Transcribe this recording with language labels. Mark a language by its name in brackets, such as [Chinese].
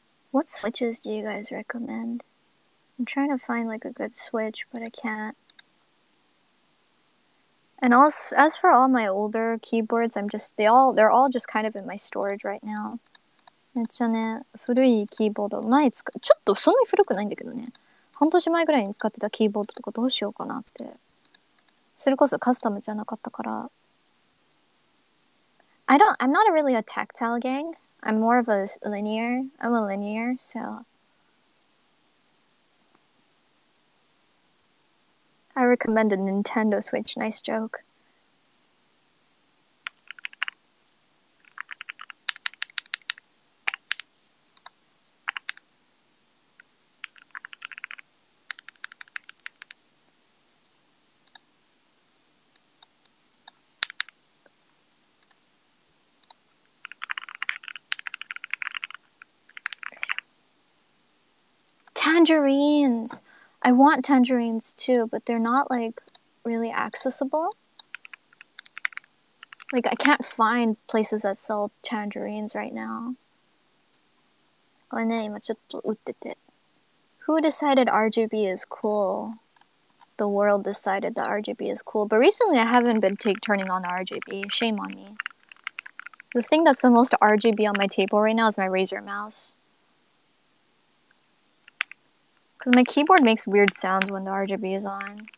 [English] What switches do you guys recommend? I'm trying to find like a good switch, but I can't. And also, as for all my older keyboards, they're all just kind of in my storage right now. [Japanese] めっちゃね、古いキーボード、前使っ、ちょっとそんなに古くないんだけどね。半年前ぐらいに使ってたキーボードとかどうしようかなって。それこそカスタムじゃなかったから。 [English] I'm not really a tactile gang. I'm more of a linear. I'm a linear, so. I recommend a Nintendo Switch. Nice joke. Tangerines! I want tangerines too, but they're not like really accessible. Like, I can't find places that sell tangerines right now. [Japanese] これね、今ちょっと売ってて。 [English] Who decided RGB is cool? The world decided that RGB is cool, but recently I haven't been turning on RGB. Shame on me. The thing that's the most RGB on my table right now is my Razer mouse. Because my keyboard makes weird sounds when the RGB is on.